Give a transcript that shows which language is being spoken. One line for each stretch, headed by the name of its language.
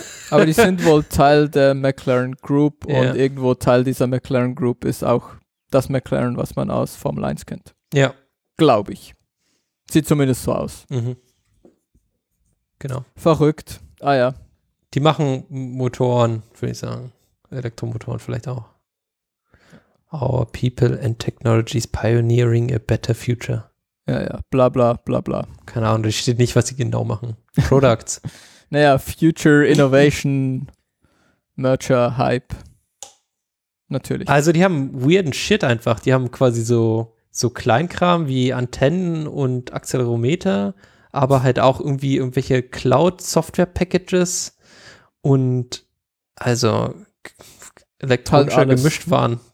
German: Aber die sind wohl Teil der McLaren Group und irgendwo Teil dieser McLaren Group ist auch das McLaren, was man aus Formel 1 kennt. Ja. Glaube ich. Sieht zumindest so aus. Mhm. Genau. Verrückt. Ah ja. Die machen Motoren, würde ich sagen. Elektromotoren vielleicht auch.
English: Our people and technologies pioneering a better future.
German: Ja, ja. Bla, bla, bla, bla. Keine Ahnung, da steht nicht, was sie genau machen.
English: Products.
German: Naja,
English: Future Innovation Merger Hype.
German: Natürlich. Also die haben weirden Shit einfach. Die haben quasi so Kleinkram wie Antennen und Accelerometer, aber halt auch irgendwie irgendwelche Cloud-Software-Packages und also elektronische Gemischtwaren.